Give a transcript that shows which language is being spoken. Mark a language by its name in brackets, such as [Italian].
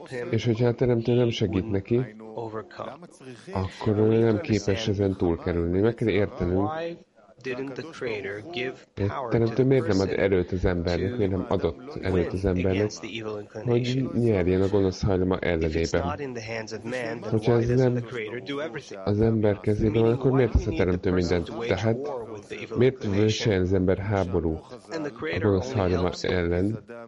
[Hungarian] És hogyha a teremtő nem segít neki, akkor ő nem képes ezen túlkerülni. Meg kell értenünk, [English] Didn't the creator give power to the person? [Hungarian] Erőt az embernek, miért nem adott erőt az embernek, hogy nyerjen a gonosz hajlama ellenében. Hogyha ez nem az ember kezében van, akkor miért tesz a teremtő mindent? Tehát miért viseljen az ember háború a gonosz hajlama ellen?